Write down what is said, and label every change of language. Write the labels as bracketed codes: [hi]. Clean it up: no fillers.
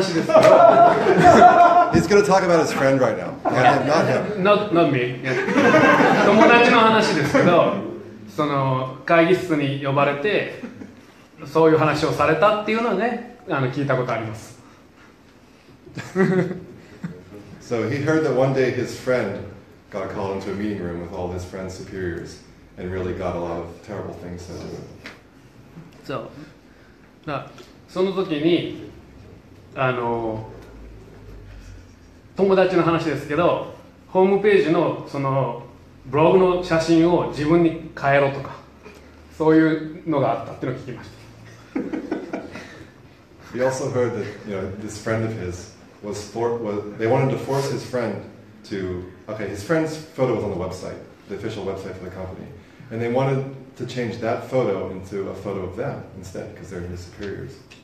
[en] ど He's going to talk about his friend right now. Not him. Not me. [ja] 友達の話ですけど、その会議室に呼ばれてそういう話をされたっていうのはね、聞いたことあります。 [en] So he heard that one day his friend got called into a meeting room with all his friend's superiors and really got a lot of terrible things said to him. So. [ja] その時に友達の話ですけど、ホームページのそのブログの写真を自分に変えろとか、そういうのがあったっていうのを聞きました。 [en] He also heard that, you know, this friend of his was they wanted to force his friend to, okay, his friend's photo was on the website, the official website for the company, and they wantedto change that photo into a photo of them instead, because they're his superiors.